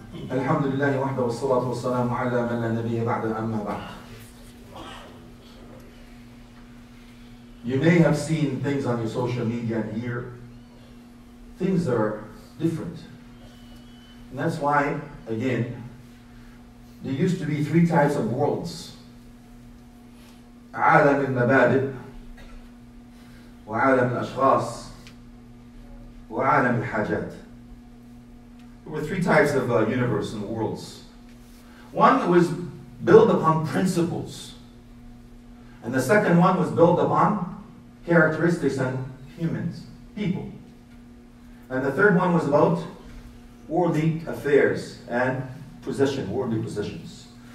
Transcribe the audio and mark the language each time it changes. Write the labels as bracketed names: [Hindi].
[Arabic] الحمد لله وحده والصلاة والسلام على من لا نبي بعد أما بعد. [English] You may have seen things on your social media and here. Things are different. And that's why, again, there used to be three types of worlds. [Arabic] عالم المبادئ وعالم الأشخاص وعالم الحاجات. [English] There were three types of universe and worlds. One was built upon principles. And the second one was built upon characteristics and humans, people. And the third one was about worldly affairs and possession, worldly possessions.